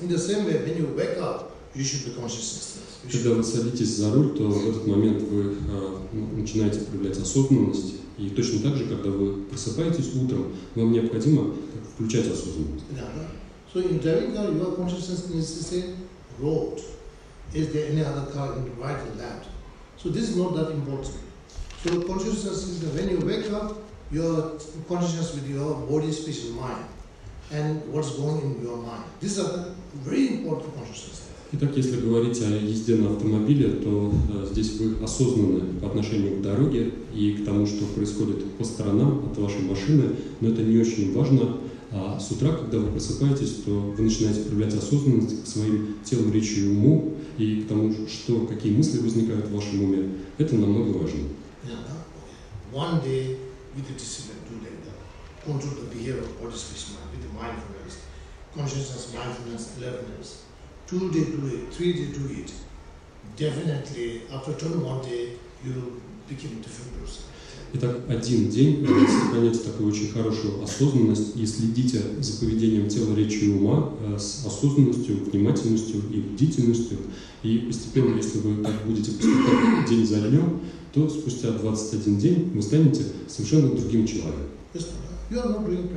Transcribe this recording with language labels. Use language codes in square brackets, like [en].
[en] In the same way, when you wake up, you should be consciousness. [ru] Когда вы садитесь за руль, то в этот момент вы начинаете проявлять осознанность. И точно так же, когда вы просыпаетесь утром, вам необходимо включать осознанность. [en] Yeah. So in driving car, your consciousness needs to say, road, is there any other car in the right or left? So this is not that important. So consciousness is that when you wake up, your consciousness with your body, speech, and mind, and what's going in your mind. This is a very important consciousness. [ru] Итак, если говорить о езде на автомобиле, то здесь вы осознанны по отношению к дороге и к тому, что происходит по сторонам от вашей машины, но это не очень важно. А с утра, когда вы просыпаетесь, то вы начинаете проявлять осознанность к своим телу, речи и уму, и к тому, что какие мысли возникают в вашем уме. Это намного важнее. [en] Yeah, okay. One day with the discipline, do that. control the behavior of body speech mind with the mindfulness, consciousness, mindfulness, alertness. 2 days do it, 3 days do it. Definitely, after 21 days, you become a different person. [ru] Итак, один день, если понять такую очень хорошую осознанность и следите за поведением тела, речи и ума с осознанностью, внимательностью и бдительностью, и постепенно, если вы так будете поступать день за днем, то спустя 21 день вы станете совершенно другим человеком.